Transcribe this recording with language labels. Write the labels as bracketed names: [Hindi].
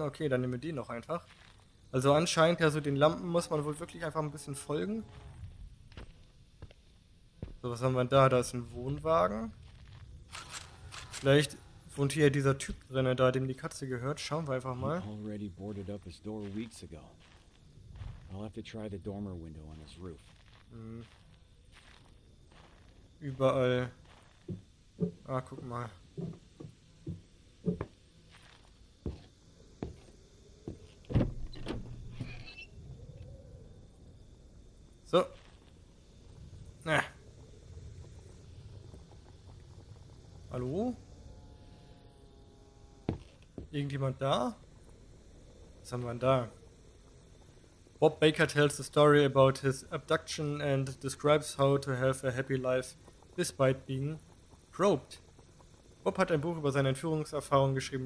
[German] Okay, dann nehmen wir den noch einfach. Also anscheinend, ja, so den Lampen muss man wohl wirklich einfach ein bisschen folgen. So, was haben wir denn da? Da ist ein Wohnwagen. Vielleicht wohnt hier dieser Typ drin, da dem die Katze gehört. Schauen wir einfach mal. [English] He already boarded up his door weeks ago. I'll have to try the dormer window on his roof. [German] Überall. Ah, guck mal. So. Na. Hallo? Irgendjemand da? Was haben wir denn da? [English] Bob Baker tells the story about his abduction and describes how to have a happy life despite being probed. [German] Bob hat ein Buch über seine Entführungserfahrung geschrieben.